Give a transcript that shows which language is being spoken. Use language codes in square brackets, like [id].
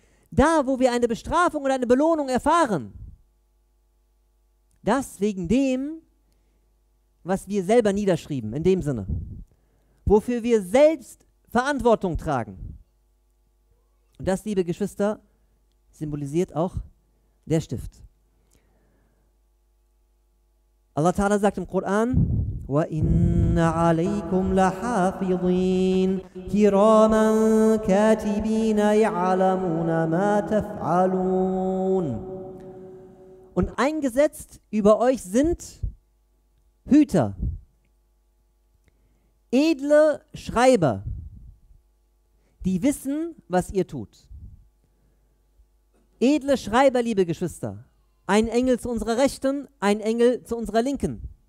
[de] Da, wo wir eine Bestrafung oder eine Belohnung erfahren, das wegen dem, was wir selber niederschrieben, in dem Sinne, wofür wir selbst Verantwortung tragen. Und das, liebe Geschwister, symbolisiert auch der Stift. Allah Ta'ala sagt im Koran, [ar] وَإِنَّ عَلَيْكُمْ لَحَافِظِينَ كِرَامًا كَاتِبِينَ يَعْلَمُونَ مَا تَفْعَلُونَ. [de] Und eingesetzt über euch sind Hüter, edle Schreiber, die wissen, was ihr tut. Edle Schreiber, liebe Geschwister, ein Engel zu unserer Rechten, ein Engel zu unserer Linken.